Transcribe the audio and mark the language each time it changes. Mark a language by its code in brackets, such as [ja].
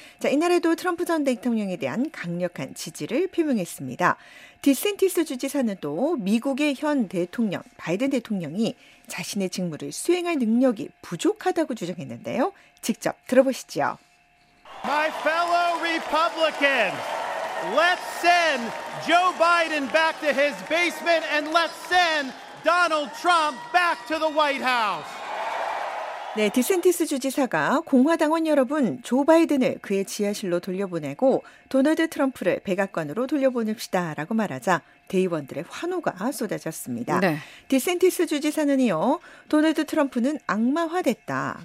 [ko] 자, 이날에도 트럼프 전 대통령에 대한 강력한 지지를 표명했습니다. 디센티스 주지사는 또 미국의 현 대통령 바이든 대통령이 자신의 직무를 수행할 능력이 부족하다고 주장했는데요. 직접 들어보시죠. [en] My fellow Republicans! Let's send Joe Biden back to his basement and let's send Donald Trump back to the White House. [ko] 네, 디센티스 주지사가 공화당원 여러분 조 바이든을 그의 지하실로 돌려보내고 도널드 트럼프를 백악관으로 돌려보냅시다 라고 말하자 대의원들의 환호가 쏟아졌습니다. 네. 디센티스 주지사는요, 도널드 트럼프는 악마화됐다.